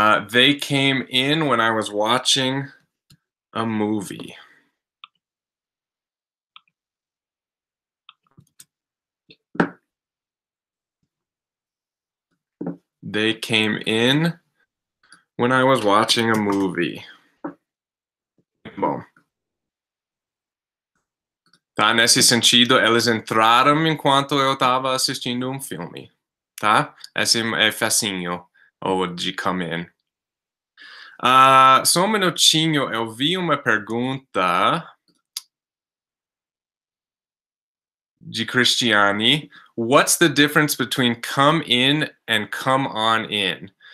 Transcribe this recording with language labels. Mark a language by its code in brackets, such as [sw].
[en] They came in when I was watching a movie. They came in when I was watching a movie. [pt] Bom. Tá, nesse sentido, eles entraram enquanto eu estava assistindo um filme. Tá? Esse é facinho. Ou de come in. Só um minutinho, eu vi uma pergunta de Cristiane. [en] What's the difference between come in and come on in?